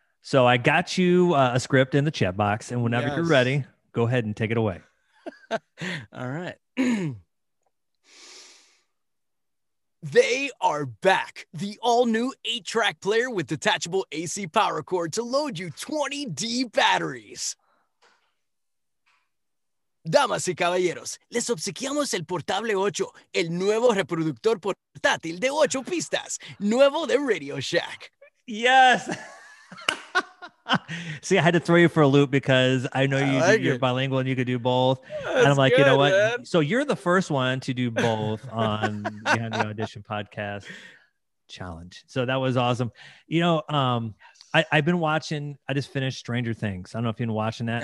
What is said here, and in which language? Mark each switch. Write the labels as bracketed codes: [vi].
[en] So I got you a script in the chat box, and whenever you're ready, go ahead and take it away. All right. They are back. The all-new 8-track player with detachable AC power cord to load you 20D batteries. [es] Damas y caballeros, les obsequiamos el portable 8, el nuevo reproductor portátil de 8 pistas, nuevo de Radio Shack. [en] Yes. See, I had to throw you for a loop because I know you're bilingual and you could do both. That's and I'm like, good, you know what? Man. So you're the first one to do both on Behind the Audition Podcast Challenge. So that was awesome. You know, I've been watching, I just finished Stranger Things. I don't know if you've been watching that.